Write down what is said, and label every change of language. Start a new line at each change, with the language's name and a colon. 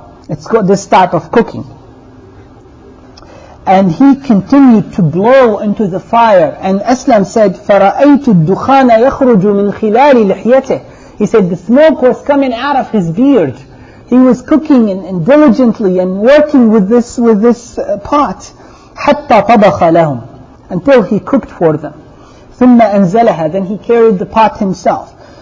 English: It's called this type of cooking. And he continued to blow into the fire. And Aslam said,
Arabic: فَرَأَيْتُ الدُّخَانَ يَخْرُجُ مِنْ خِلَالِ لِحْيَتِهِ.
English: He said, the smoke was coming out of his beard. He was cooking and diligently and working with this pot.
Arabic: حَتَّى طَبَخَ لَهُمْ.
English: Until he cooked for them.
Arabic: ثُمَّ أَنْزَلَهَا.
English: Then he carried the pot himself.